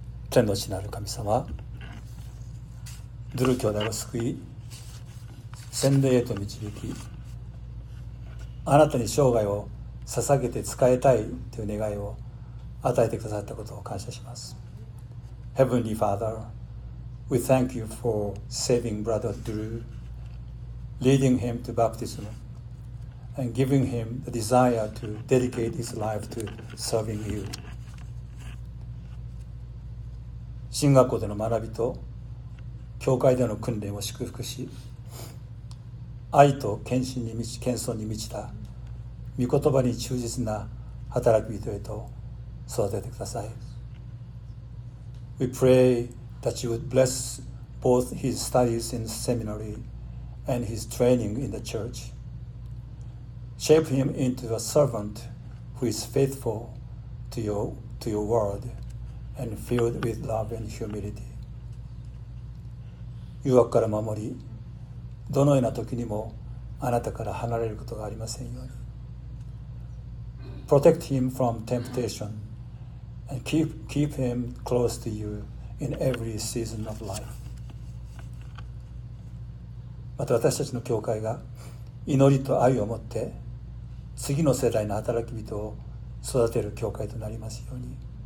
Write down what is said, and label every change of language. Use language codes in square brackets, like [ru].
[ja] 天の地なる神様、ドゥル兄弟を救い、洗礼へと導き、あなたに生涯を捧げて仕えたいという願いを与えてくださったことを感謝します。 [en] Heavenly Father, we thank you for saving brother Drew, leading him to baptism and giving him the desire to dedicate his life to serving you. [ja] 神学校での学びと教会での訓練を祝福し、愛と献身に満ち、謙遜に満ちた御言葉に忠実な働き人へと育ててください。 [en] We pray that you would bless both his studies in seminary and his training in the church. Shape him into a servant who is faithful to your wordand filled with love and humility. [ja] 誘惑から守り、どのような時にもあなたから離れることがありませんように。 [en] Protect him from temptation and keep him close to you in every season of life. [ja] また私たちの教会が祈りと愛を持って次の世代の働き人を育てる教会となりますように。